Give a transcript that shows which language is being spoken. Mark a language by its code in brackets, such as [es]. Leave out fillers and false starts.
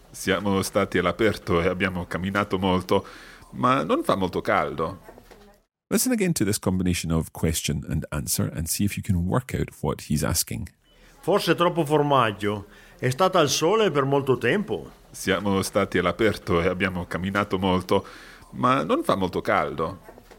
[it] Siamo stati all'aperto e abbiamo camminato molto, ma non fa molto caldo. [en] Listen again to this combination of question and answer and see if you can work out what he's asking. [it] Forse troppo formaggio. È stata al sole per molto tempo. Siamo stati all'aperto e abbiamo camminato molto, ma non fa molto caldo.